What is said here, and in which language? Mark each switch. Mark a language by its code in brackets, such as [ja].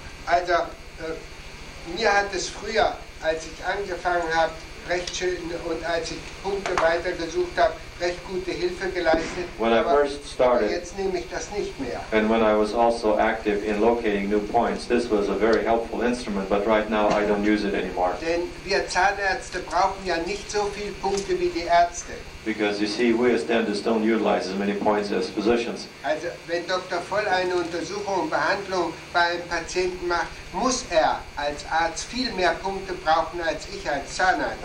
[de] Also, mir hat es früher, als ich angefangen habe, recht schön und als ich Punkte weitergesucht habe, recht gute Hilfe geleistet. [en] When [de] aber [en] I first started, [de] jetzt nehme ich das nicht mehr. [en] And when I was also active in locating new points, this was a very helpful instrument, but right now I don't use it anymore. [de] Denn wir Zahnärzte brauchen ja nicht so viele Punkte wie die Ärzte. [en] Because you see, we as dentists don't utilize as many points as physicians. [de] Also, wenn Dr. Voll eine Untersuchung und Behandlung bei einem Patienten macht, muss als Arzt viel mehr Punkte brauchen als ich als Zahnarzt.